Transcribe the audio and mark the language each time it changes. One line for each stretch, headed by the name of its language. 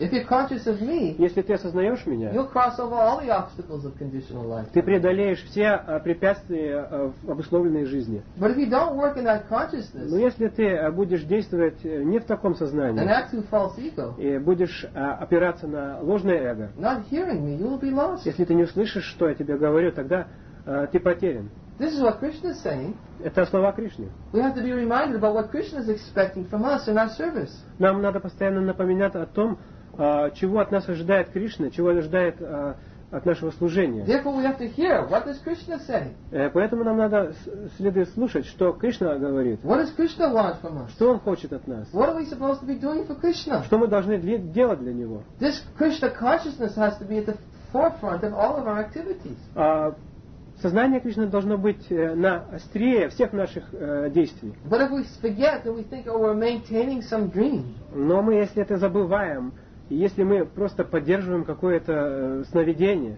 English: If you're conscious of me,
Russian: если ты осознаешь меня,
English: you'll cross over all the obstacles of conditional life.
Russian: Ты преодолеешь все препятствия в обусловленной жизни.
English: But if you don't work in that consciousness,
Russian: но если ты будешь действовать не в таком сознании,
English: and act through false ego,
Russian: и будешь опираться на ложное эго,
English: not hearing me, you will be lost.
Russian: Если ты не услышишь, что я тебе говорю, тогда ты потерян.
English: This is what Krishna is saying.
Russian: Это слова Кришны.
English: We have to be reminded about what Krishna is expecting from us in our service.
Russian: Нам надо постоянно напоминать о том, чего от нас ожидает Кришна, чего ожидает от нашего служения.
English: Therefore, we have to hear what is Krishna saying.
Russian: Поэтому нам надо следует слушать, что Кришна говорит.
English: What does Krishna want from us?
Russian: Что он хочет от нас?
English: What are we supposed to be doing for Krishna?
Russian: Что мы должны делать для него?
English: This Krishna consciousness has to be at the forefront of all of our activities.
Russian: Сознание Кришны должно быть на острие всех наших действий.
English: But if we forget, then we think, oh, we're maintaining some dream.
Russian: Но мы, если это забываем, если мы просто поддерживаем какое-то сновидение,